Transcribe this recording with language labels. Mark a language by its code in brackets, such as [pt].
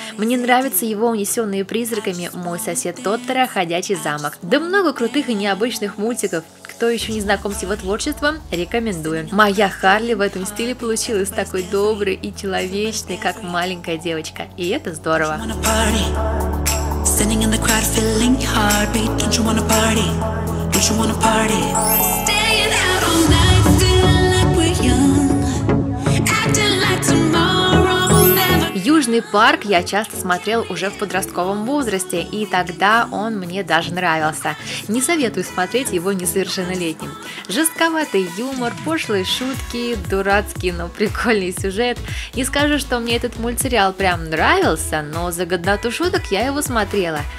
[ru] Мне нравятся его «Унесенные призраками», «Мой сосед Тоторо», «Ходячий замок». Да много крутых и необычных мультиков. Кто еще не знаком с его творчеством, рекомендую. Моя Харли в этом стиле получилась такой доброй и человечной, как маленькая девочка. И это здорово. [en] Standing in the crowd, feeling your heartbeat. Don't you wanna party? Don't you wanna party? Staying out all night, feeling like we're young, acting like tomorrow never. [ru] Южный парк я часто смотрел уже в подростковом возрасте, и тогда он мне даже нравился. Не советую смотреть его несовершеннолетним. Жестковатый юмор, пошлые шутки, дурацкий, но прикольный сюжет. Не скажу, что мне этот мультсериал прям нравился, но за годноту шуток я его смотрела.